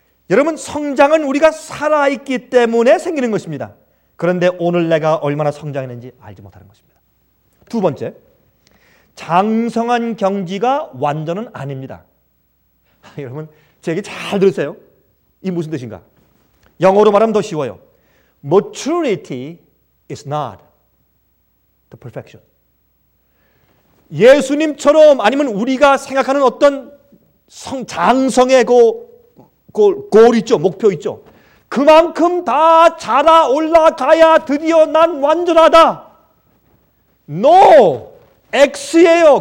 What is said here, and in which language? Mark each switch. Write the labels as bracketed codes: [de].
[ko] 여러분, 성장은 우리가 살아있기 때문에 생기는 것입니다. 그런데 오늘 내가 얼마나 성장했는지 알지 못하는 것입니다. 두 번째, 장성한 경지가 완전은 아닙니다. 여러분, 제게 잘 들으세요. 이게 무슨 뜻인가? 영어로 말하면 더 쉬워요. [en] Maturity is not the perfection. [ko] 예수님처럼 아니면 우리가 생각하는 어떤 장성의 골 있죠? 목표 있죠? 그만큼 다 자라 올라가야 드디어 난 완전하다. [en] No! [ko] X예요.